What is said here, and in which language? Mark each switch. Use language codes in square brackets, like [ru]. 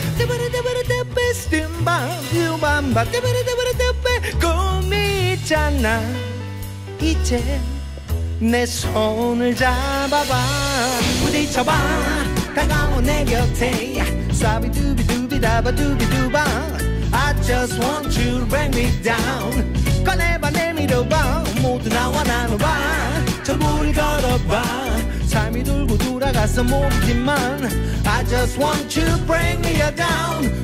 [ko] 데바라데바라데베스틴바유밤바. 데바라데바라데베 꿈이 있잖아. 이제 내 손을 잡아봐. 부딪혀봐 다가온 내 곁에. 사비두비두비다바두비두바. [en] I just want you to bring me down. [ko] 꺼내봐 내밀어봐. 모두 나와 나눠봐. 전부를 걸어봐. 삶이 돌고 돌아가서 모르지만. [en] I just want you to bring me down. Just want you to let me know.